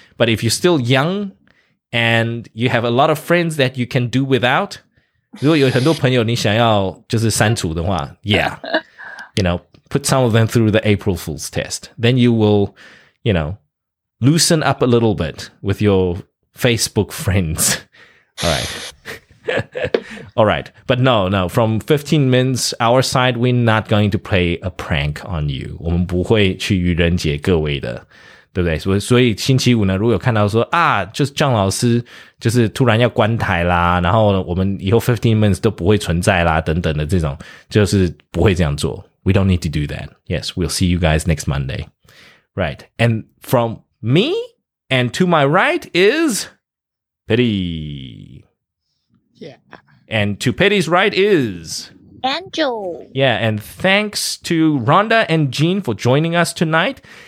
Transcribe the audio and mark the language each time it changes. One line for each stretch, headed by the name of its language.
English: But if you're still young and you have a lot of friends that you can do without,
Chinese: 如果有很多朋友你想要就是删除的话,
English: yeah, you know, put some of them through the April Fools test. Then you will, you know, loosen up a little bit with your Facebook friends. All right. All right. But no, from 15 minutes, our side, we're not going to play a prank on you.
Chinese: 我们不会去愚人节各位的，对不对？所以星期五呢，如果有看到说啊，就是John老师就是突然要关台啦，然后我们以后15 minutes 都不会存在啦，等等的这种，就是不会这样做。
English: We don't need to do that. Yes, we'll see you guys next Monday. Right. And from me and to my right is Petty. Yeah. And to Petty's right is Angel. Yeah, and thanks to Rhonda and Jean for joining us tonight.